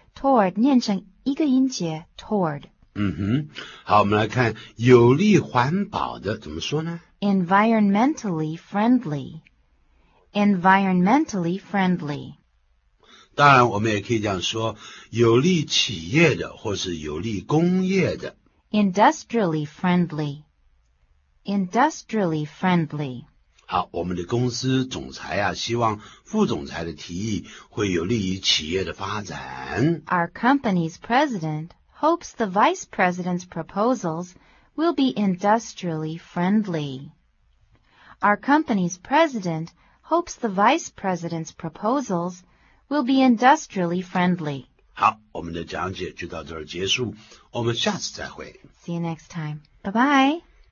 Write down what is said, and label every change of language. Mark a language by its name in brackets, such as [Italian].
[Chinese] Toward 念成一个音节 toward. 嗯哼，好，我们来看有利环保的怎么说呢？ [English] Environmentally friendly. Environmentally friendly. [Chinese] 当然我们也可以这样说，有利企业的或是有利工业的。 [English] Industrially friendly. Industrially friendly. [Chinese] 好，我们的公司总裁啊，希望副总裁的提议会有利于企业的发展。 [English] Our company's president hopes the vice president's proposals will be industrially friendly. Our company's president hopes the vice president's proposals will be industrially friendly. [Chinese] 好，我们的讲解就到这儿结束，我们下次再会。 [English] See you next time. Bye-bye.